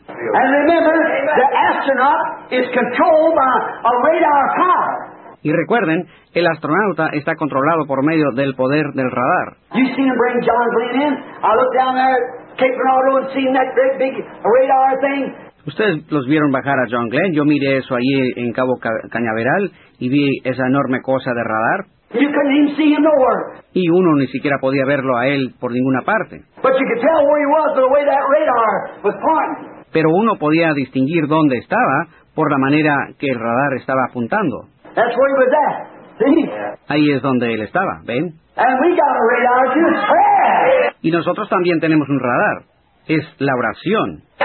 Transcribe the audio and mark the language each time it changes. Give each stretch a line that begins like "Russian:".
English: And remember, the astronaut is controlled by a radar car.
Spanish: Y recuerden, el astronauta está controlado por medio del poder del radar.
English: You seen him bring John Glenn in? I looked down there at Cape Canaveral and seen that great big radar thing.
Spanish: Ustedes los vieron bajar a John Glenn. Yo miré eso allí en Cabo Cañaveral y vi esa enorme cosa de radar.
English: You couldn't even see him nowhere.
Spanish: Y uno ni siquiera podía verlo a él por ninguna parte.
English: But you could tell where he was by the way that radar was pointing.
Spanish: Pero uno podía distinguir dónde estaba por la manera que el radar estaba apuntando.
English: That's where he was at. See?
Spanish: Ahí es donde él estaba, ¿ven?
English: And we got a radar too.
Spanish: Y nosotros también tenemos un radar. Es la oración.